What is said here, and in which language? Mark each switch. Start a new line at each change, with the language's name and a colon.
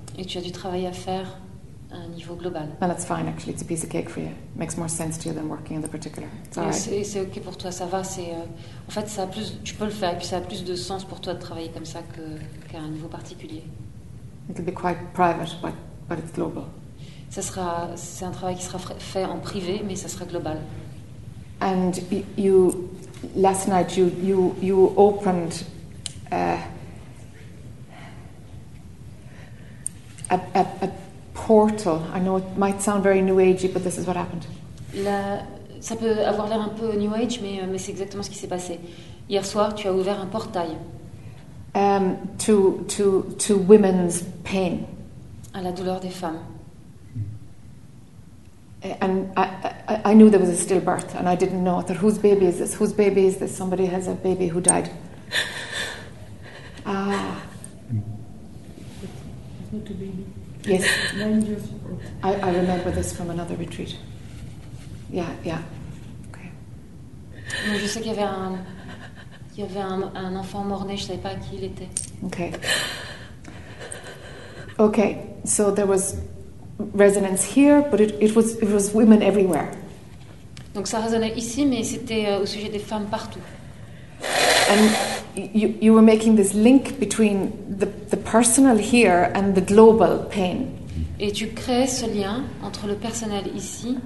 French: Et tu as du travail à faire à un niveau global.
English: And that's fine, actually. It's a piece of cake for you. It makes more sense to you than working in the particular. It's all right.
French: C'est ok pour toi. Ça va. C'est en fait, ça a plus. Tu peux le faire. Et puis ça a plus de sens pour toi de travailler comme ça qu'à un niveau particulier.
English: It'll be quite private, but it's global.
French: Ça sera, c'est un travail qui sera fait en privé, mais ça sera global.
English: And you, last night, you opened a portal. I know it might sound very new agey, but this is what happened.
French: Ça peut avoir l'air un peu new age, mais c'est exactement ce qui s'est passé. Hier soir, tu as ouvert un portail.
English: To women's pain.
French: À la douleur des femmes.
English: And I knew there was a stillbirth, and I didn't know. I thought, whose baby is this? Whose baby is this? Somebody has a baby who died. to be. Yes. I remember this from another retreat. Yeah, yeah. Okay.
French: Donc, je sais qu'il y avait un, enfant mort-né, je ne savais pas qui il était.
English: Okay. Okay, so there was resonance here, but it was women everywhere.
French: Donc ça résonnait ici, mais c'était au sujet des femmes partout.
English: And you were making this link between the personal here and the global pain.
French: Et tu créais ce lien entre le personnel ici